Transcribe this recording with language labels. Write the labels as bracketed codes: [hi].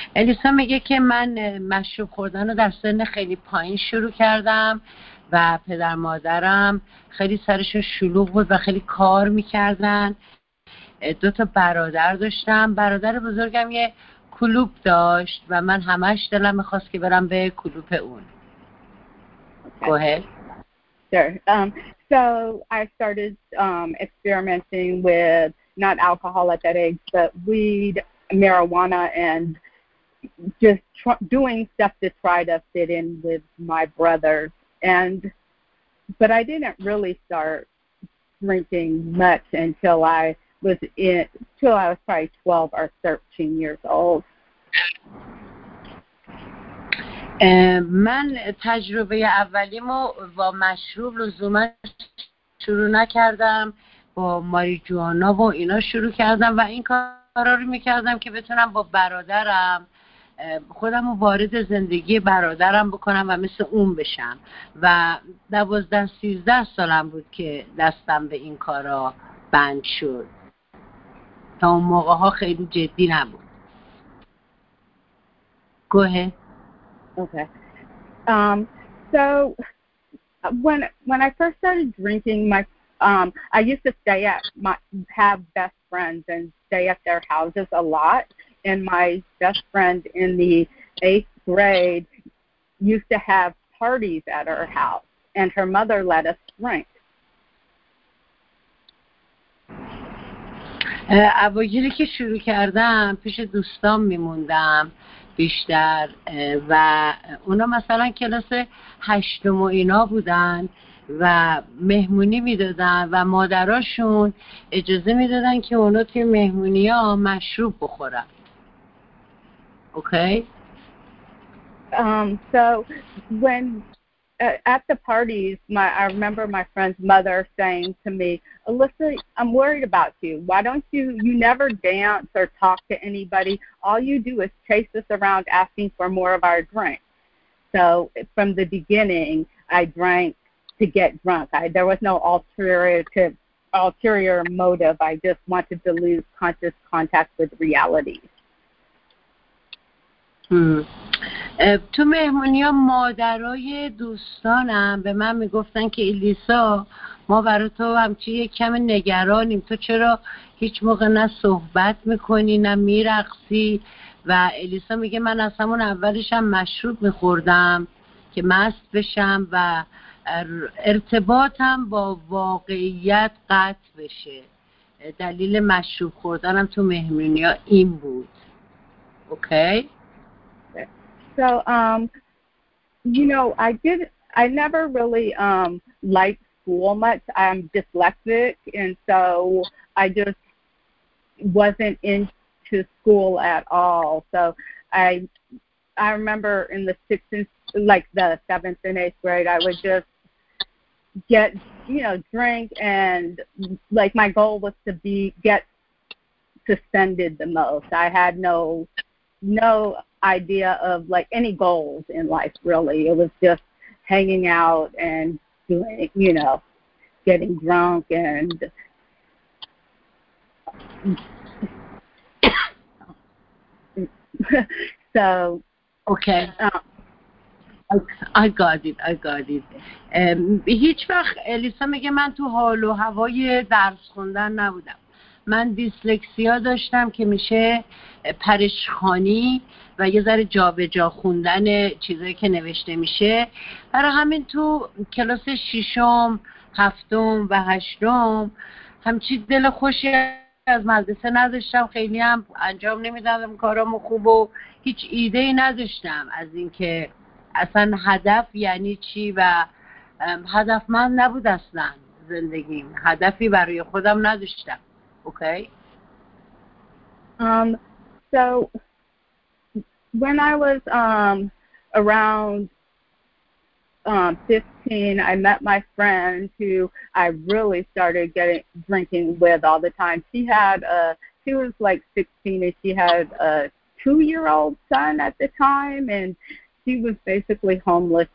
[fa] الیسا میگه که من مشروب خوردن رو در سن خیلی پایین شروع کردم و پدر مادرم خیلی سرشون شلوغ بود و خیلی کار میکردن. دو تا برادر داشتم. برادر بزرگم یه کلوب داشت و من همش دلم میخواست که برم به کلوب اون. [en] Go ahead. Sure. So I started experimenting with not alcohol at that age, but weed, marijuana, and just doing stuff to try to fit in with my brothers. But I didn't really start drinking much until I was probably 12 or 13 years old. [fa] من تجربه اولیمو با مشروب لزوما شروع نکردم، با ماریجوانا و اینا شروع کردم و این کارا رو میکردم که بتونم با برادرم خودم رو وارد زندگی برادرم بکنم و مثل اون بشم و 12-13 سالم بود که دستم به این کارا بند شد. تا اون موقع ها خیلی جدی نبود. [en] گوه Okay. So when I first started drinking, I used to have best friends and stay at their houses a lot, and my best friend in the eighth grade used to have parties at her house, and her mother let us drink. [fa] اوایلی که شروع کردم پیش دوستان میموندم بیشتر و اونا مثلا کلاس هشتم و اینا بودن و مهمونی میدادن و مادراشون اجازه میدادن که اونا توی مهمونی ها مشروب بخورن. [en] Okay? So when at the parties, I remember my friend's mother saying to me, Alyssa, I'm worried about you. Why don't you, you never dance or talk to anybody. All you do is chase us around asking for more of our drink. So from the beginning, I drank to get drunk. There was no ulterior motive. I just wanted to lose conscious contact with reality. [fa] تو مهمونی ها مادرای دوستانم به من میگفتن که ایلیسا ما برای تو همچی یک کم نگرانیم، تو چرا هیچ موقع نه صحبت میکنی نه میرقصی؟ و ایلیسا میگه من از همون اولشم مشروب میخوردم که مست بشم و ارتباطم با واقعیت قطع بشه. دلیل مشروب خوردنم تو مهمونی ها این بود. [en] Okay? So, you know, I never really liked school much. I'm dyslexic, and so I just wasn't into school at all. So I remember in the seventh and eighth grade, I would just get, you know, drink, and like my goal was to get suspended the most. I had no idea of like any goals in life, really. It was just hanging out and doing, you know, getting drunk and so okay. I got it. [fa] هیچ وقت الیسا میگه من تو حال و هوای درس خوندن نبودم. من دیسلکسیا داشتم که میشه پرشخوانی و یه ذره جا به جا خوندن چیزایی که نوشته میشه. برای همین تو کلاس ششم، هفتم و هشتم همچی دل خوشی از مدرسه نداشتم، خیلی هم انجام نمیدادم کارامو خوب و هیچ ایده‌ای نداشتم از اینکه اصلا هدف یعنی چی و هدف من نبود اصلا زندگیم، هدفی برای خودم نداشتم. [en] Okay. So when I was around 15, I met my friend who I really started drinking with all the time. She was like 16 and she had a 2-year-old son at the time, and she was basically homeless.